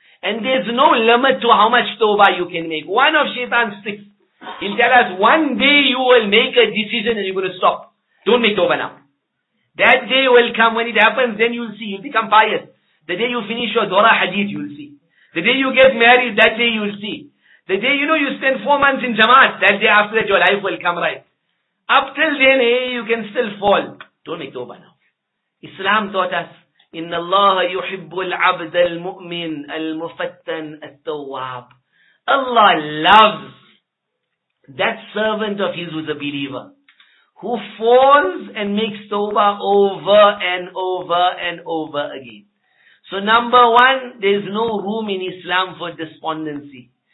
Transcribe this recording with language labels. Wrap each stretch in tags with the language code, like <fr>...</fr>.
<en>And there's no limit to how much tawbah you can make. One of shaitan's tricks, he'll tell us one day you will make a decision and you're going to stop. Don't make tawbah now. That day will come. When it happens, then you'll see. You'll become pious. The day you finish your Dora Hadith, you'll see. The day you get married, that day you'll see. The day, you know, you spend 4 months in Jamaat, that day after that your life will come right. Up till then, you can still fall. Don't make tawbah now. Islam taught us,</en> <ar>إِنَّ اللَّهَ يُحِبُّ الْعَبْدَ الْمُؤْمِنَ الْمُفَتَّنَ التَّوَّابَ.</ar> <en>Allah loves that servant of His who's a believer, who falls and makes tawbah over and over and over again. So number one, there's no room in Islam for despondency.</en>